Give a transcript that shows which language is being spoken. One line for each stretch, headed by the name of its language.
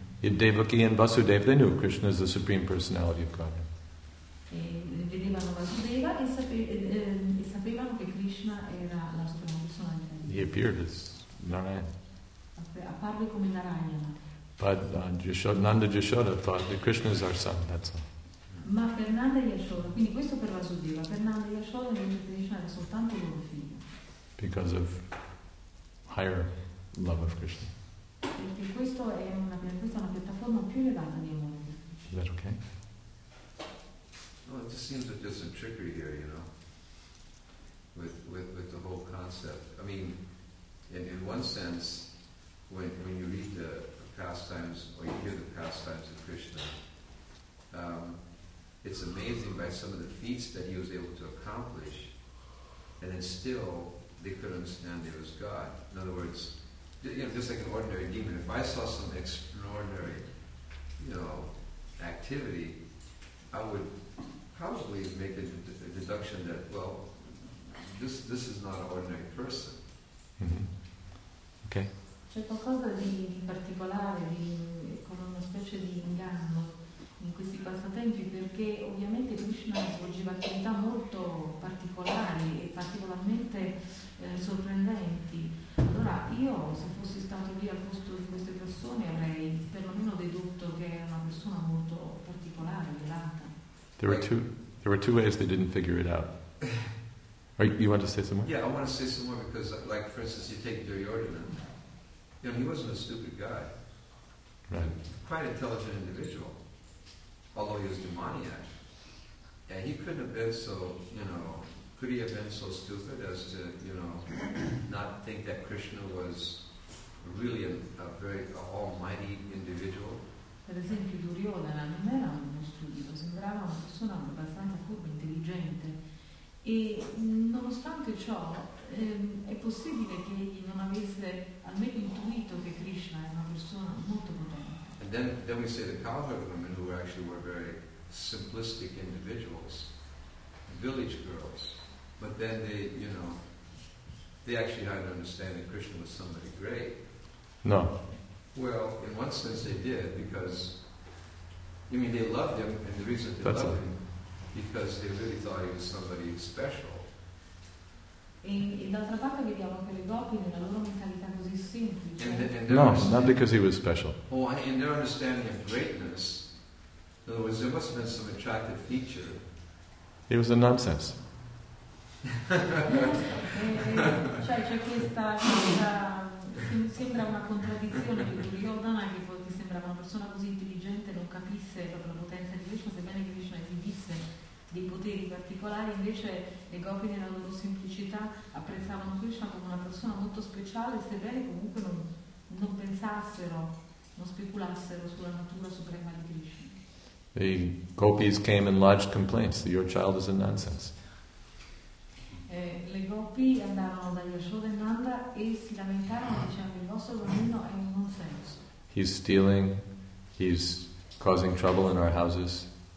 English: In Devaki and Vasudeva, they knew Krishna is the supreme personality of God.
Italian: Vedevano Vasudeva e sapevano che Krishna era la suprema personalità.
English: He appeared as Narayana.
Italian: Apparve come Narayana.
English: But Nanda Yashoda thought that Krishna is our son. That's all.
Italian: Ma per Nanda Yashoda, quindi questo per Vasudeva, per Nanda Yashoda Krishna era soltanto loro figlio.
English: Because of higher love of Krishna.
Italian: Perché questa è una piattaforma più elevata di amore.
English: Is that okay? No, it just seems that there's some trickery here, you know. with the whole concept. I mean, in one sense, when you read the pastimes or you hear the pastimes of Krishna, it's amazing by some of the feats that he was able to accomplish, and then still they couldn't understand there was God. In other words, you know, just like an ordinary demon, if I saw some extraordinary, you know, activity, I would probably make a deduction that, well, this is not an ordinary person. Mm-hmm. Okay.
Italian: C'è qualcosa di particolare, di, con una specie di inganno in questi passatempi, perché ovviamente Krishna svolgeva attività molto particolari e particolarmente sorprendenti. Allora io, se fossi stato lì al posto di queste persone, avrei perlomeno dedotto che era una persona molto particolare, velata.
English: There were two ways they didn't figure it out. You want to say some more? Yeah, I want to say some more because, like, for instance, you take Duryodhana. You know, he wasn't a stupid guy. Right. Quite intelligent individual, although he was demoniac. And he couldn't have been so, you know, could he have been so stupid as to, you know, not think that Krishna was really a very almighty individual?
Italian: Per esempio, Duryodhana non era uno stupido, sembrava una persona abbastanza furba, intelligente. E nonostante ciò, è possibile che egli non avesse almeno intuito che Krishna è una persona molto potente.
English: And then we say the cowherd women, who actually were very simplistic individuals, village girls, but then they, you know, they actually had an understanding that Krishna was somebody great. No. Well, in one sense they did, because, I mean, they loved him, and the reason they loved him, because they really thought he was somebody special.
Italian: E d'altra parte vediamo che le gopi nella loro mentalità così semplice.
English: No, not because he was special. Oh, in their understanding of greatness, in other words, there must have been some attractive feature. He was a nonsense.
Italian: Cioè c'è questa sembra una contraddizione, che Duryodhana, che poi ti sembrava una persona così intelligente, non capisse proprio la potenza di Krishna, sebbene Krishna esibisse dei poteri particolari, invece le gopi nella loro semplicità apprezzavano Krishna come una persona molto speciale, sebbene comunque non pensassero, non speculassero sulla natura suprema di Krishna.
English: The gopis came and lodged complaints that your child is a nonsense.
Italian: Le gopi andarono da Yashoda e Nanda e si lamentarono dicendo: il vostro bambino è un nonsense.
English: He's stealing, he's causing trouble in our houses.